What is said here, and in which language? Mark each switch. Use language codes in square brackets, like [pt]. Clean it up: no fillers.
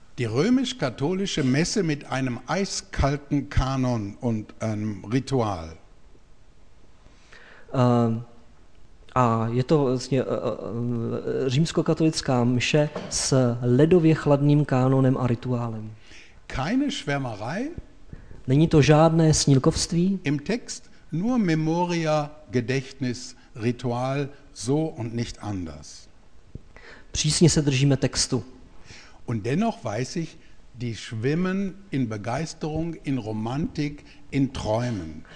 [de] Die römisch-katholische Messe mit einem eiskalten Kanon und einem Ritual. [cs] A je to vlastně římskokatolická mše s ledově chladným kánonem a rituálem. [de] Keine Schwärmerei. [cs] Není to žádné snílkovství. [de] Im Text nur Memoria, Gedächtnis, Ritual, so und nicht anders. [cs] Přísně se držíme textu. [de] Und dennoch weiß ich, die schwimmen in Begeisterung, in Romantik, in Träumen.